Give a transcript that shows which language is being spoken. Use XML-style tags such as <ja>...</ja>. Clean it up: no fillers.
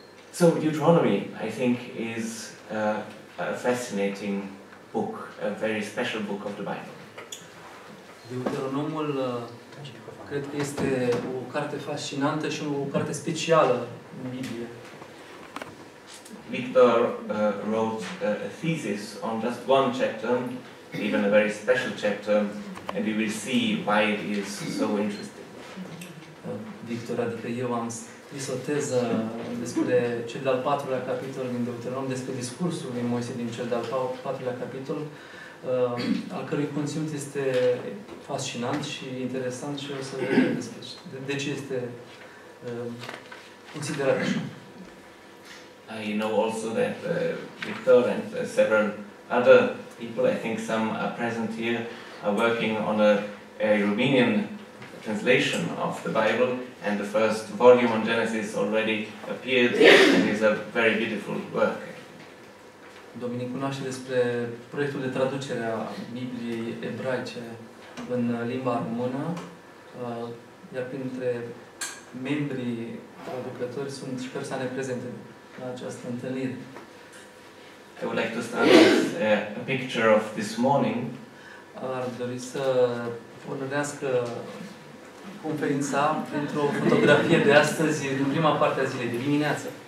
<en>So Deuteronomy, I think, is a fascinating book, a very special book of the Bible.</en> <ro>Deuteronomul cred că este o carte fascinantă și o carte specială în Biblie.</ro> <en>Victor wrote a thesis on just one chapter, even a very special chapter, and we will see why it is so interesting.</en> <ro>Victor, adică eu am scris o teză despre cel de-al patrulea capitol din Deuteronom, despre discursul lui Moise din cel de-al patrulea capitol, al cărui conținut este fascinant și interesant și o să vedem despre de ce este considerat așa.</ro> <en>You know also that Victor and several other people, I think some are present here, are working on a Romanian translation of the Bible, and the first volume on Genesis already appeared, and is a very beautiful work.</en> <ro>Dominic cunoaște despre proiectul de traducere a Bibliei ebraice în limba română, iar printre membrii traducători sunt și persoane prezente la această întâlnire.</ro> <en>I would like to start with a picture of this morning.</en> <ro>Ar dori să pornească conferința pentru o fotografie de astăzi, din prima parte a zilei, de dimineață.</ro>